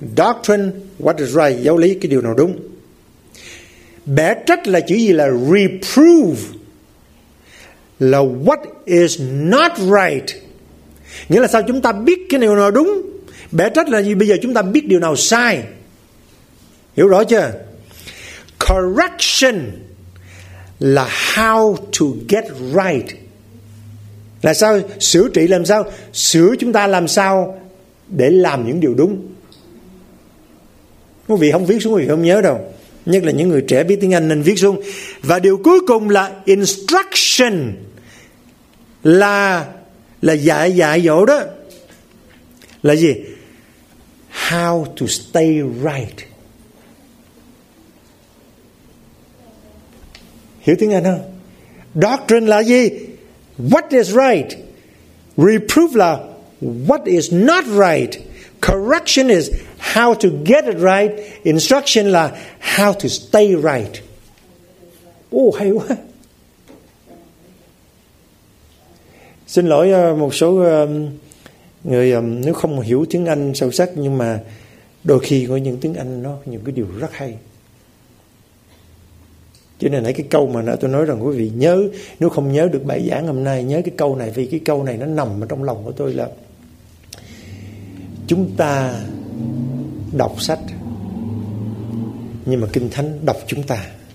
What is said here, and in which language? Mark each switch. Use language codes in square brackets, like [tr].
[en] Doctrine, what is right, [vi] giáo lý, cái điều nào đúng. Bẻ trách là chữ gì? Là reprove, là [en] what is not right. [vi] Nghĩa là sao? Chúng ta biết cái điều nào đúng. Bẻ trách là gì? Bây giờ chúng ta biết điều nào sai. Hiểu rõ chưa? [en] Correction là how to get right. [vi] Là sao? Sửa trị làm sao? Sửa chúng ta làm sao để làm những điều đúng. Quý vị không viết xuống thì không nhớ đâu. Nhất là những người trẻ biết tiếng Anh nên viết xuống. Và điều cuối cùng là instruction, là dạy dỗ đó. [en] Là gì? How to stay right. [vi] Hiểu tiếng Anh không? Doctrine là gì? [en] What is right? Reproof là what is not right? Correction is how to get it right. Instruction là how to stay right. [vi] Ồ, hay quá. Xin lỗi một số người nếu không hiểu tiếng Anh sâu sắc, nhưng mà đôi khi có những tiếng Anh nó những cái điều rất hay. Cho nên nãy cái câu mà tôi nói rằng quý vị nhớ, nếu không nhớ được bài giảng hôm nay, nhớ cái câu này, vì cái câu này nó nằm ở trong lòng của tôi, là chúng ta đọc sách nhưng mà Kinh Thánh đọc chúng ta.